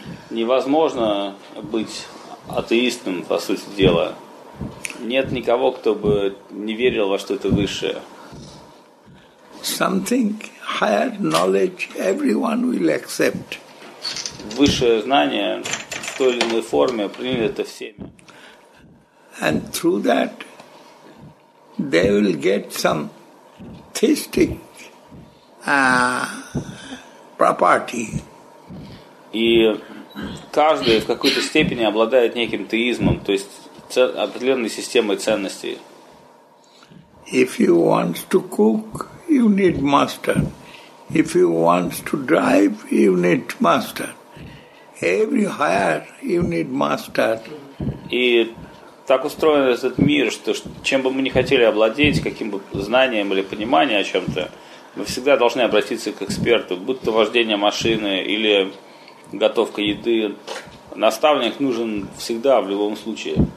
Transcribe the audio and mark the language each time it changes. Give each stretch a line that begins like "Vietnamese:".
Russian: Невозможно быть атеистом, по сути дела. Нет никого, кто бы не верил во что-то высшее.
English: Something higher knowledge everyone will accept.
Russian: Высшее знание в той или иной форме принято всеми.
English: And through that they will get some theistic property.
Russian: И каждый в какой-то степени обладает неким теизмом, то есть определенной системой ценностей.
English: If you want to cook, you need master. If you want to drive, you need master. Every higher you need master.
Russian: И так устроен этот мир, что чем бы мы ни хотели обладать, каким бы знанием или пониманием о чем-то, мы всегда должны обратиться к эксперту, будь то вождение машины или готовка еды. Наставник нужен всегда, в любом случае.